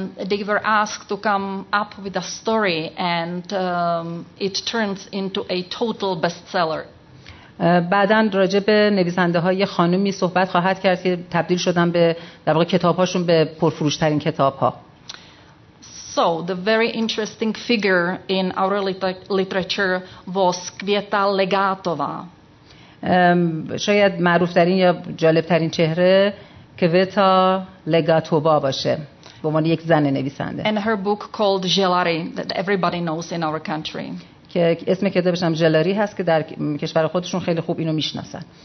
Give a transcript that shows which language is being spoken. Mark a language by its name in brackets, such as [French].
[English] They were asked to come up with a story and it turns into a total bestseller. [Persian] بعدن راجع به نویسنده های خانومی صحبت خواهد کرد که تبدیل شدن به در واقع کتاب هاشون به پرفروش ترین کتاب ها. [English] So the very interesting figure in our literature was Květa Legátová. [Persian] شاید معروف ترین یا جالب ترین چهره کویتا لگاتوبا باشه به عنوان یک زن نویسنده. [English] And her book called Jelari that everybody knows in our country. [Persian] که اسم کتابش هم جلاری هست که در کشور خودشون خیلی خوب اینو میشناسن.